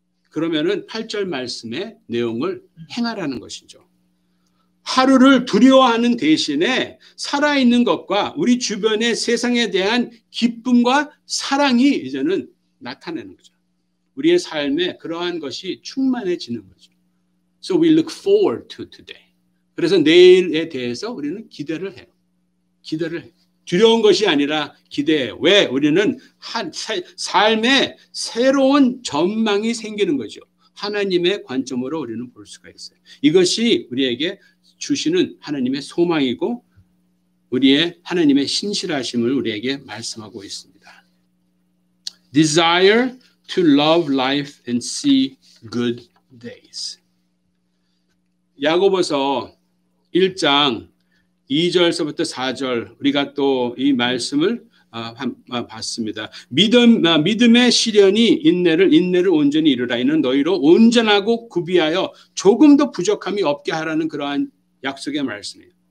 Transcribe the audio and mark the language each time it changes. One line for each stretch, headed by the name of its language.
Korean: 그러면은 8절 말씀의 내용을 행하라는 것이죠. 하루를 두려워하는 대신에 살아있는 것과 우리 주변의 세상에 대한 기쁨과 사랑이 이제는 나타내는 거죠. 우리의 삶에 그러한 것이 충만해지는 거죠.
English: So we look forward to today.
Korean: 그래서 내일에 대해서 우리는 기대를 해요. 기대를 해요. 두려운 것이 아니라 기대해. 왜? 우리는 삶에 새로운 전망이 생기는 거죠. 하나님의 관점으로 우리는 볼 수가 있어요. 이것이 우리에게 주시는 하나님의 소망이고 우리의 하나님의 신실하심을 우리에게 말씀하고 있습니다.
English: Desire to love life and see good days.
Korean: 야고보서 1장 2절서부터 4절 우리가 또 이 말씀을 봤습니다. 믿음의 시련이 인내를 온전히 이루라. 이는 너희로 온전하고 구비하여 조금도 부족함이 없게 하라는 그러한 약속의 말씀이에요.